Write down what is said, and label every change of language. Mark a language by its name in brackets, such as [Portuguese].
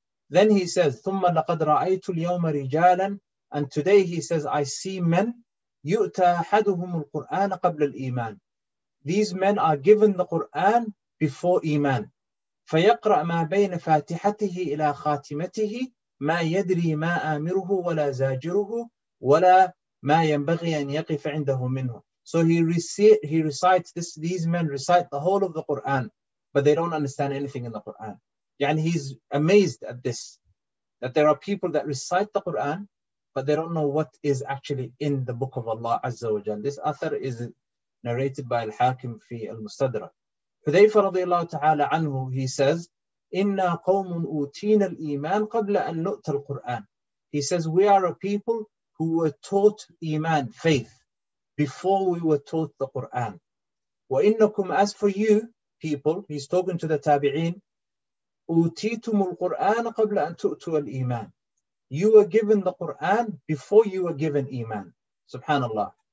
[English] Then he says, [Arabic] ثُمَّ لَقَدْ رَأَيْتُ الْيَوْمَ رِجَالًا. [English] And today he says, I see men, [Arabic] يُؤْتَى أَحَدُهُمُ الْقُرْآنَ قَبْلَ الْإِيمَانِ. [English] These men are given the Quran before iman. [Arabic] فَيَقْرَأْ مَا بَيْنَ فَاتِحَتِهِ إِلَى خَاتِمَتِهِ مَا يَدْرِي مَا آمِرُهُ وَلَا زَاجِرُهُ وَلَا مَا يَنْبَغِي أَنْ يَقِفَ عِنْدَهُ مِنْهُ. [English] So he recites this, these men recite the whole of the Quran, but they don't understand anything in the Quran. And he's amazed at this, that there are people that recite the Quran, but they don't know what is actually in the book of Allah Azza wa Jalla. This author is narrated by Al-Hakim fi Al-Mustadra. [Arabic] Hudhayfa radiallahu ta'ala anhu, [English] he says, [Arabic] إِنَّا قَوْمٌ أُوتِينَ الْإِيمَانَ قَبْلَ أَنْ نُؤْتَ الْقُرْآنَ. [English] He says, we are a people who were taught iman, faith, before we were taught the Quran. [Arabic] وَإِنَّكُمْ, [English] as for you, people, he's talking to the tabi'een, [Arabic] أُوتِيتُمُ الْقُرْآنَ قَبْلَ أَن تُؤْتُوَ الْإِيمَانَ. [English] You were given the Quran before you were given iman. Subhanallah.